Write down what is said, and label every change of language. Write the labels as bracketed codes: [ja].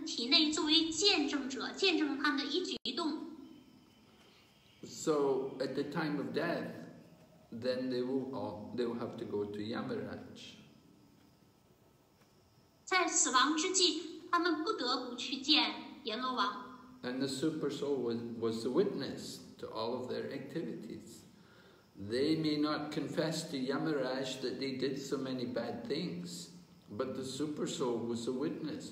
[zh] 在非奉献者的内心也居住着超灵，他们体内作为见证者，见证他们的一举一动。 [en] So at the time of death, then they will have to go to Yamaraj. [zh] 在死亡之际，他们不得不去见阎罗王。 [en] And the super soul was the witness to all of their activities. They may not confess to Yamaraj that they did so many bad things, but the super soul was a witness.